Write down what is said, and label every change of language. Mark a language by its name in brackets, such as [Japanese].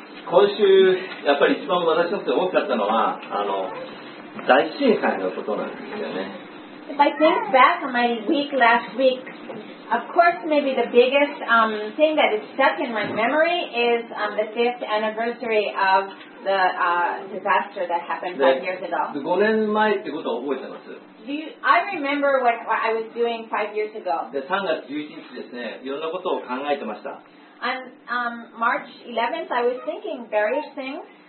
[Japanese] 今週やっぱり一番私の大きかったのは大震災のことなんですよね。 [English] If I think back on my week last week, of course, maybe the biggest thing that is stuck in my memory is the 5th anniversary of the disaster that happened 5 years ago. [Japanese] 5年前ってことを覚えてます。 [English] I remember what I was doing 5 years ago. [Japanese] で、3月11日ですね、いろんなことを考えてました。 [English] On March 11th, I was thinking various things.